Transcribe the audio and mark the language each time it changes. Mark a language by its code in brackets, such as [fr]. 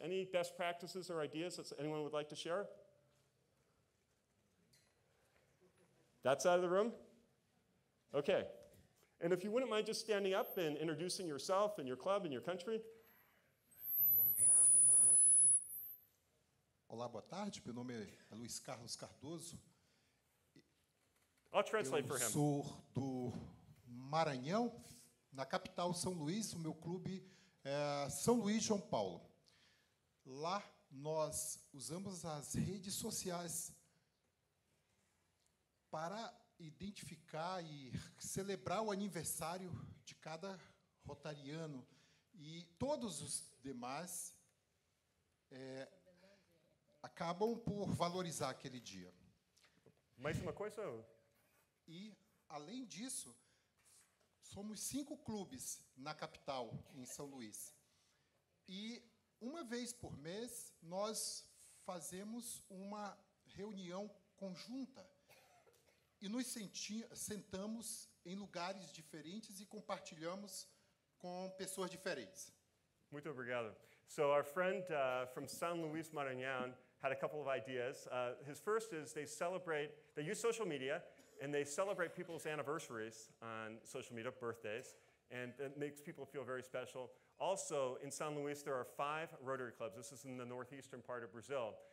[en] Any best practices or ideas that anyone would like to share? That side of the room? Okay. And if you wouldn't mind just standing up and introducing yourself and your club and your country. [pt] Olá, boa tarde. Meu nome é Luiz Carlos Cardoso. [en] I'll translate for him. [pt] Eu sou do Maranhão, na capital São Luís. O meu clube é São Luís, João Paulo. Lá, nós usamos as redes sociais para identificar e celebrar o aniversário de cada rotariano e todos os demais acabam por valorizar aquele dia. Mais uma coisa? E, além disso, somos 5 clubes na capital, em São Luís. E, uma vez por mês, nós fazemos uma reunião conjunta e nos sentamos em lugares diferentes e compartilhamos com pessoas diferentes. Muito obrigado. [en] So our friend from San Luis Maranhão had a couple of ideas. His first is they use social media, and they celebrate people's anniversaries on social media, birthdays, and it makes people feel very special. Also, in San Luis, there are 5 Rotary clubs. This is in the northeastern part of Brazil.